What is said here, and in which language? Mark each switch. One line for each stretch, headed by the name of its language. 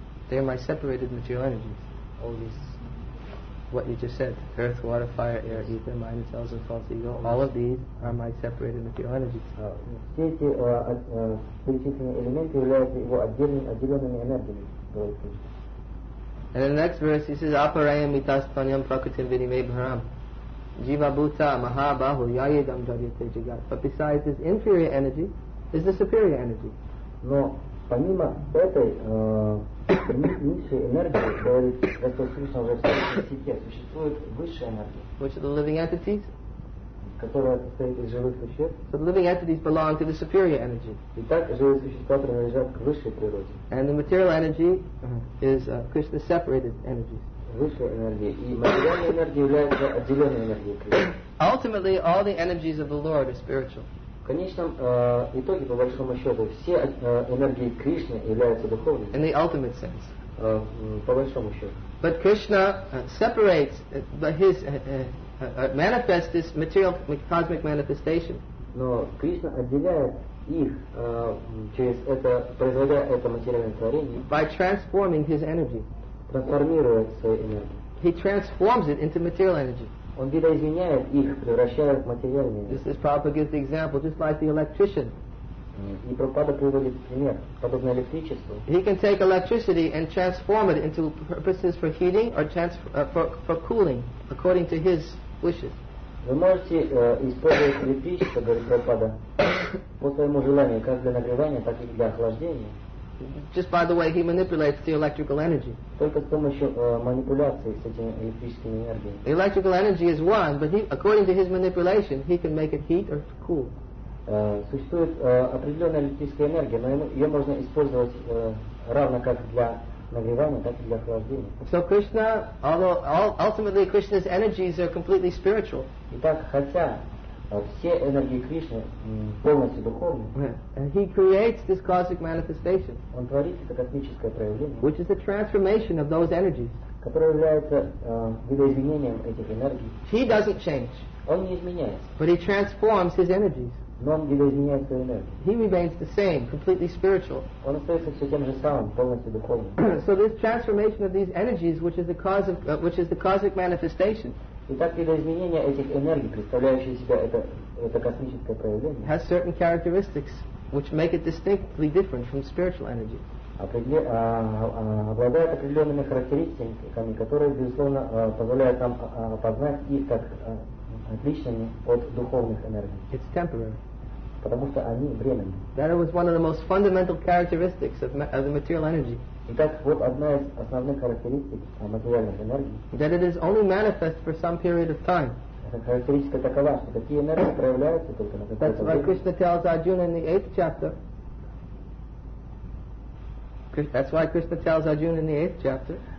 English: They are my separated material energies. All these, what you just said, earth, water, fire, air, ether, mind, cells, and false ego, all of these are my separated material energies.
Russian: Все эти перечисленные элементы являются его отделенными энергиями.
English: And in the next verse, he says,
Sanskrit: Aparayam mitas panyam prakritim vinime bharam. Jiva bhuta mahabahu yayedam jaryate jagat.
English: But besides this inferior energy, is the superior energy.
Russian: Но помимо этой низшей энергии, говорит, это слышно уже в сети, существует высшая энергия.
English: Which are the living entities?
Russian: Которая состоит из живых существ.
English: So the living entities belong to the superior energy.
Russian: Итак, живые существа принадлежат к высшей природе.
English: And the material energy is Krishna separated energies.
Russian: Высшая энергия. И материальная энергия является отделенной энергией Кришны.
English: Ultimately, all the energies of the Lord are spiritual.
Russian: В конечном итоге, по большому счету, все энергии Кришны являются духовными.
English: In the ultimate sense.
Russian: По большому счету.
English: But Krishna separates his manifest this material cosmic manifestation.
Russian: Но Кришна отделяет их через это, производя это материальное творение.
English: By transforming his energy.
Russian: Трансформирует свою энергию.
English: He transforms it into material energy.
Russian: Он видоизменяет их, превращая в материальные энергии.
English: This is Prabhupada gives the example, just like the electrician.
Russian: И Прабхупада приводит пример, подобно электричеству.
English: He can take electricity and transform it into purposes for heating or for cooling, according to his wishes.
Russian: Вы можете использовать электричество, говорит Прабхупада, по своему желанию, как для нагревания, так и для охлаждения.
English: Just by the way he manipulates the electrical energy.
Russian: Только с помощью манипуляции с этими электрическими энергиями.
English: The electrical energy is one, but according to his manipulation, he can make it heat or cool.
Russian: Существует определенная электрическая энергия, но ее можно использовать равно как для нагревания, так и для охлаждения.
English: So Krishna, although ultimately Krishna's energies are completely spiritual.
Russian: Итак, хотя все энергии Кришны полностью духовны,
English: he creates this cosmic manifestation,
Russian: он творит это космическое проявление,
English: which is a transformation of those energies,
Russian: которое является видоизменением этих энергий.
English: He doesn't change.
Russian: Он не изменяется.
English: But he transforms his energies.
Russian: Но он видоизменяет свою энергию.
English: He remains the same, completely spiritual.
Russian: Он остается все тем же самым, полностью духовным.
English: So this transformation of these energies, which is the cause of, which is the cosmic manifestation,
Russian: итак, видоизменение этих энергий, представляющие себя это космическое проявление,
English: has certain characteristics which make it distinctly different from spiritual energy.
Russian: Обладает определенными характеристиками, которые, безусловно, позволяют нам познать их как отличными от духовных энергий.
English: It's temporary.
Russian: Потому что они временные.
English: That was one of the most fundamental characteristics of the material energy.
Russian: Итак, вот одна из основных характеристик материальных энергий.
English: That it is only manifest for some period of time.
Russian: Эта характеристика такова, что такие энергии проявляются только на какое-то время.
English: That's why Krishna tells Arjuna in the 8th chapter. That's why Krishna tells Arjuna in the 8th chapter.